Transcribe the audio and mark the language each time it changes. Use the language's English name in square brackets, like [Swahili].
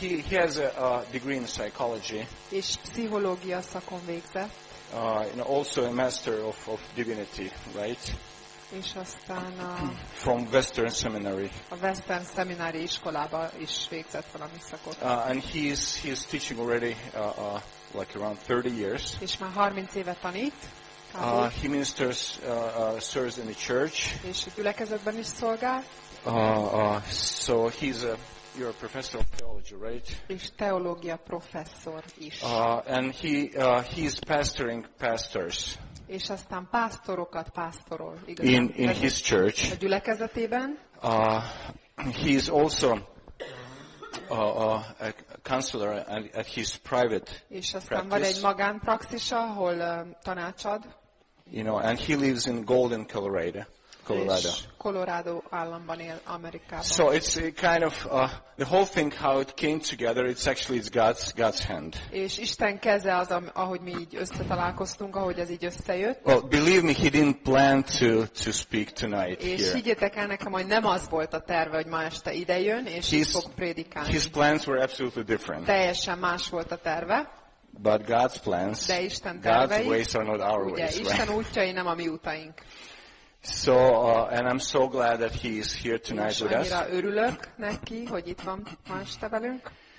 [English] He has a degree in psychology. [Hungarian] És pszichológia szakon végzett. [English] Also a master of divinity, right? [Hungarian] És aztán a [English] from Western Seminary. [Hungarian] A Western Seminary iskolába is végzett valami szakot. [English] And he is teaching already like around 30 years. [Hungarian] És már 30 éve tanít. [English] He ministers serves in the church. [Hungarian] És a gyülekezetben is szolgál. [English] So he's you're a professor of theology, right? [Hungarian] És teológia professzor is. [English] And he's pastoring pastors. [Hungarian] És aztán pásztorokat pásztorol, igazán. [English] In his church. [Hungarian] A gyülekezetében. [English] He is also a counselor at his private practice. [Hungarian] És aztán van egy magánpraxis, ahol tanácsad. [English] You know, and he lives in Golden, Colorado. [Hungarian] És Colorado államban él, Amerikában. [English] So it's a kind of the whole thing how it came together. It's actually God's hand. [Hungarian] És Isten keze az, ahogy mi így összetalálkoztunk, ahogy ez így összejött. [English] Well, believe me, he didn't plan to speak tonight [Hungarian] és [English] here. [Hungarian] És higgyétek el nekem, hogy nem az volt a terve, hogy ma este idejön és itt fog prédikálni. [English] His plans were absolutely different. [Hungarian] Teljesen más volt a terve. [English] But God's plans, [Hungarian] de Isten tervei, [English] God's ways are not our ways. [Hungarian] Ugye, Isten útjai nem a mi utaink. [English] So and I'm so glad that he is here tonight with us. [Hungarian] Örülök neki, hogy itt van ma este velünk.